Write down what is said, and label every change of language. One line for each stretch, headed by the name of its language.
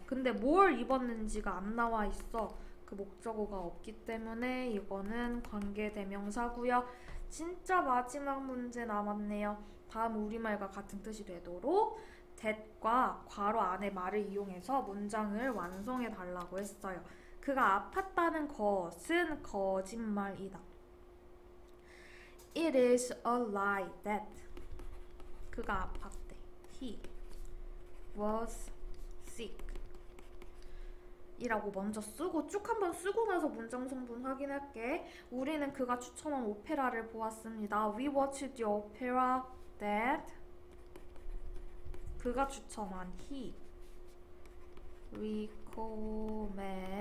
Korean: 근데 뭘 입었는지가 안 나와 있어. 그 목적어가 없기 때문에 이거는 관계대명사고요. 진짜 마지막 문제 남았네요. 다음 우리말과 같은 뜻이 되도록 that과 괄호 안에 말을 이용해서 문장을 완성해 달라고 했어요. 그가 아팠다는 것은 거짓말이다.
English: It is a lie that
Korean: 그가 아팠대.
English: He was sick
Korean: 이라고 먼저 쓰고 쭉 한번 쓰고 나서 문장 성분 확인할게. 우리는 그가 추천한 오페라를 보았습니다.
English: We watched the opera that
Korean: 그가 추천한
English: he recommended.